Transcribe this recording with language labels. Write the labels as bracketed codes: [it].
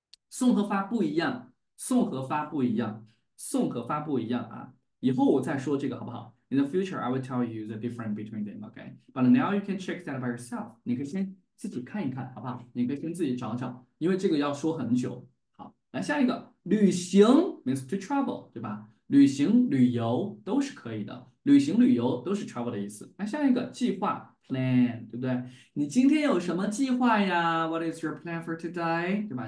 [zh] 送和发不一样，送和发不一样，送和发不一样啊。以后我再说这个好不好？ [en] In the future, I will tell you the difference between them. Okay, but now you can check that by yourself. [zh] 你可以先自己看一看好不好？你可以先自己找找，因为这个要说很久。好，来下一个。旅行 [en] means to travel， [zh] 对吧？旅行、旅游都是可以的。旅行、旅游都是 travel 的意思。那下一个计划 plan，对不对？你今天有什么计划呀？ [en] What is your plan for today？ [zh] 对吧？